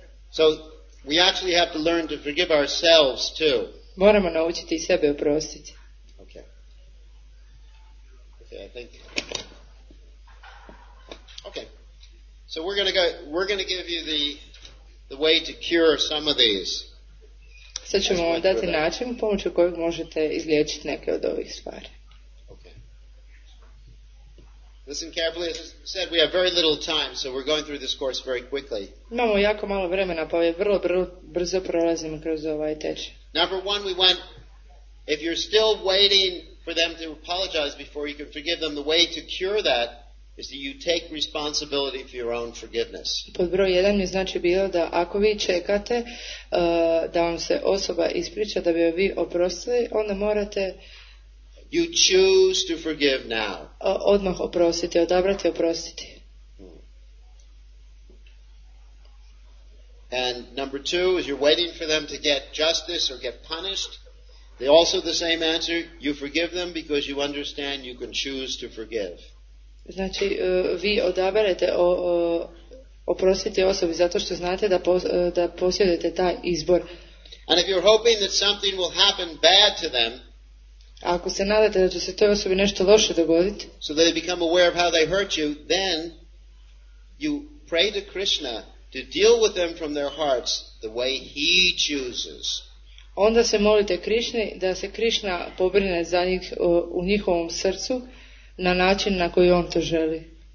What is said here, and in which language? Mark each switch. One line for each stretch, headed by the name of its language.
English: So, we actually have to learn to forgive ourselves too.
Croatian: Moramo naučiti sebe oprostiti.
English: Okay. Okay, I think. Okay. So we're going to give you the way to cure some of these.
Croatian: Sad ćemo vam dati način pomoću kojeg možete izliječiti neke od ovih stvari.
English: Okay. Listen carefully. As I said, we have very little time, so we're going through this course very quickly.
Croatian: Imamo jako malo vremena, pa vrlo brzo prolazimo kroz ovaj tečaj.
English: Number one, we went, if you're still waiting for them to apologize before you can forgive them, the way to cure that is that you take responsibility for your own forgiveness.
Croatian: Pod broj jedan je znači bilo da ako vi čekate da vam se osoba ispriča da bi vi oprostili, onda morate...
English: You choose to forgive now.
Croatian: Odmah oprostiti, odabrati oprostiti.
English: And number two, as you're waiting for them to get justice or get punished, they also the same answer, you forgive them because you understand you can choose to forgive.
Croatian: Znači, vi odaberete oprostiti osobi zato što znate da, da posjedete taj izbor.
English: And if you're hoping that something will happen bad to them,
Croatian: ako se nadate da će se toj osobi nešto loše dogoditi,
English: so they become aware of how they hurt you, then you pray to Krishna to deal with them from their hearts the way he chooses.
Croatian: Onda se molite Krišni da se Krišna pobrine za njih u njihovom srcu na način na koji on to želi.